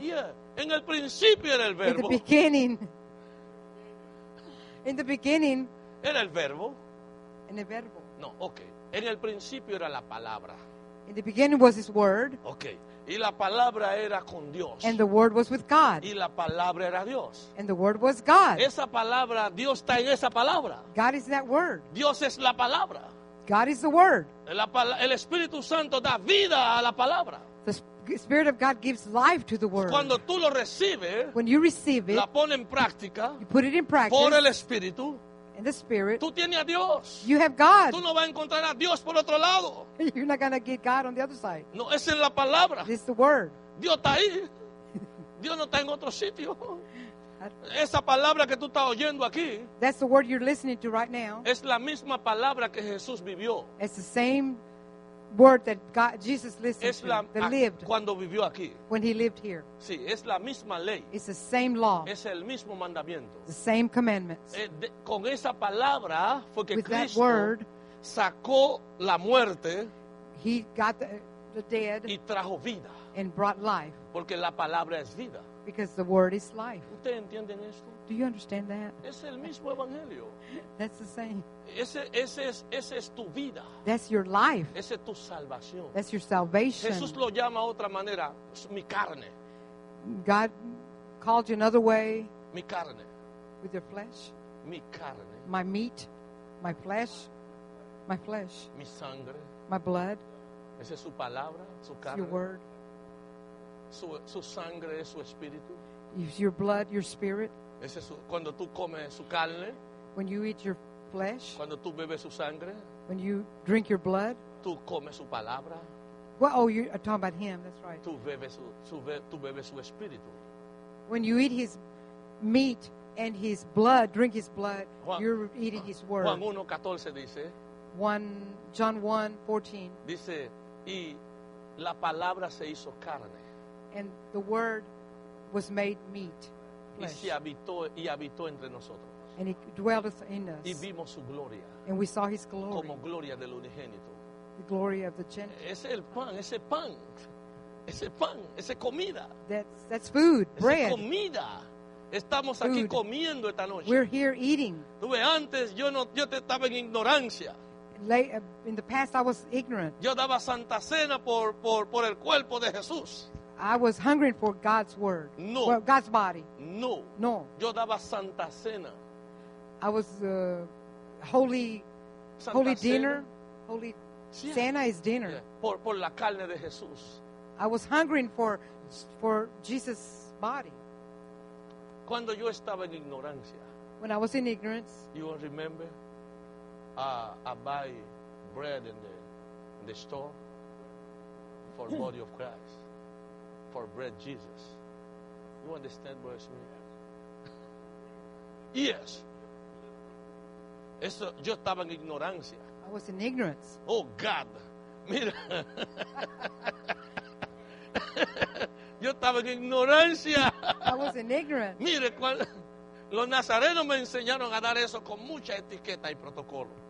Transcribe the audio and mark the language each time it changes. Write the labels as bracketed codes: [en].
[en] Yeah, [es] en el principio era el verbo. [en] In the beginning. In the beginning. [es] Era el verbo. En el verbo. [en] No, okay. [es] En el principio era la palabra. [en] In the beginning was his word. Okay. [es] Y la palabra era con Dios. [en] And the word was with God. [es] Y la palabra era Dios. [en] And the word was God. [es] Esa palabra, Dios está en esa palabra. [en] God is that word. [es] Dios es la palabra. [en] God is the word. [es] El Espíritu Santo da vida a la palabra. [en] The Spirit of God gives life to the word. [es] Cuando tú lo recibes, [en] when you receive it, [es] la pones en práctica, [en] you put it in practice, [es] por el Espíritu, [en] in the Spirit, [es] tú tienes a Dios. [en] You have God. [es] Tú no vas a encontrar a Dios por otro lado. [en] You're not going to get God on the other side. [es] No, es en la palabra. [en] It's the word. [es] Dios está ahí. Dios no está en otro sitio. Esa palabra que tú estás oyendo aquí, [en] that's the word you're listening to right now. [es] Es la misma palabra que Jesús vivió. [en] It's the same word that God, Jesus listened [es] es la, [en] to, that lived [es] cuando vivió aquí. [en] When he lived here. [es] Sí, es la misma ley. [en] It's the same law. [es] Es el mismo mandamiento. [en] The same commandments. [es] Con esa palabra fue que [en] with [es] Cristo [en] that word, [es] sacó la muerte, [en] he got the dead [es] y trajo vida. [en] And brought life. [es] Porque la palabra es vida. [en] Because the word is life. [es] ¿Ustedes entienden esto? [en] Do you understand that? [es] Es el mismo evangelio. [en] That's the same. [es] Ese es tu vida. [en] That's your life. [es] Ese es tu salvación. [en] That's your salvation. [es] Jesús lo llama otra manera, es mi carne. [en] God called you another way. [es] Mi carne. [en] With your flesh. [es] Mi carne. [en] My meat. My flesh. My flesh. [es] Mi sangre. [en] My blood. [es] Esa es su palabra, su carne. [en] It's your word. [es] Su sangre es su espíritu. [en] It's your blood, your spirit. [es] Ese es su, cuando tú comes su carne. [en] When you eat your flesh. [es] Cuando tú bebes su sangre. [en] When you drink your blood. [es] Tú comes su palabra. [en] Well, oh, you're talking about him. That's right. [es] Tú bebes su espíritu. [en] When you eat his meat and his blood, drink his blood, Juan, you're eating his word. [es] Juan 1:14 dice. [en] John 1:14. [es] Dice, y la palabra se hizo carne. [en] And the word was made meat, flesh. [es] Y habitó entre nosotros. [en] And it dwelt in us. [es] Y vimos su gloria. [en] And we saw his glory. [es] Como gloria del unigénito. [en] The glory of the gentile. [es] Ese el pan, ese pan. Ese pan, ese comida. [en] That's food, bread. [es] Ese comida. Estamos [en] food. [es] Aquí comiendo esta noche. [en] We're here eating. [es] Tuve antes, yo te estaba en ignorancia. [en] In the past, I was ignorant. [es] Yo daba Santa Cena por el cuerpo de Jesús. [en] I was hungering for God's word. [es] No. [en] Well, God's body. [es] No. No. Yo daba Santa Cena. [en] I was holy dinner. Holy Cena is dinner. Yeah. [es] Por la carne de Jesús. [en] I was hungering for Jesus' body. [es] Cuando yo estaba en ignorancia. [en] When I was in ignorance. You will remember? I buy bread in the store for the body of Christ. For bread, Jesus. You understand what it's mean? Yes. [es] Eso, yo estaba en ignorancia. [en] I was in ignorance. Oh, God. [es] Mira. Yo estaba en ignorancia. [en] I was in ignorance. [es] Mire, los nazarenos me enseñaron a dar eso con mucha etiqueta y protocolo.